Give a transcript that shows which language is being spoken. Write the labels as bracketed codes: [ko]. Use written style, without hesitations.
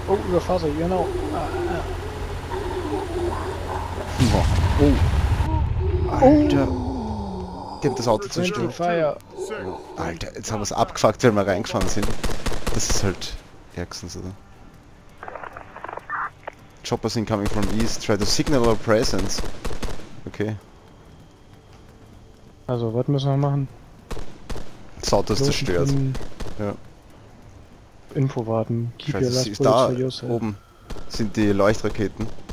[de] Oh, über Fahrzeug, genau. Ah. Oh. Alter. Die haben das Auto zerstört. Alter, jetzt haben wir es abgefuckt, wenn wir reingefahren sind. Das ist halt ärgstens, oder? [en] Choppers incoming from east. Try to signal our presence. Okay. [de] Also, was müssen wir machen? Das Auto ist zerstört. Ja. Info warten. [en] Keep your last bullets for yourself. [de] Oben sind die Leuchtraketen.